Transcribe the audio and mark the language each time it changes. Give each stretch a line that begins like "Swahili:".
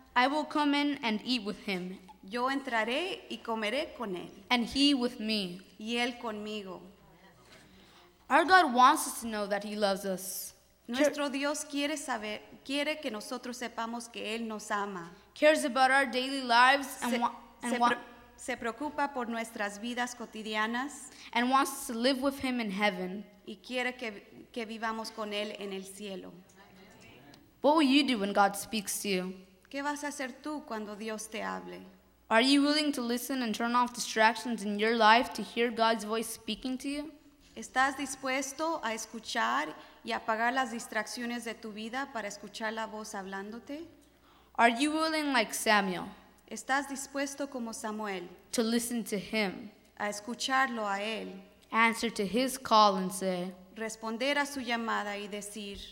English: I will come in and eat with him.
Spanish: Yo entraré y comeré con él.
English: And he with me.
Spanish: Y él conmigo.
English: Our God wants us to know that he loves us.
Spanish: Nuestro Dios quiere saber, quiere que nosotros sepamos que él nos ama.
English: Cares about our daily lives and
Spanish: se preocupa por nuestras vidas cotidianas.
English: And wants to live with him in heaven.
Spanish: Y quiere que vivamos con él en el cielo.
English: What will you do when God speaks to you?
Spanish: ¿Qué vas a hacer tú cuando Dios te hable?
English: Are you willing to listen and turn off distractions in your life to hear God's voice speaking to you?
Spanish: ¿Estás dispuesto a escuchar y apagar las distracciones de tu vida para escuchar la voz hablándote?
English: Are you willing like Samuel?
Spanish: ¿Estás dispuesto como Samuel?
English: To listen to him.
Spanish: A escucharlo a él.
English: Answer to his call and say,
Spanish: responder a su llamada y decir,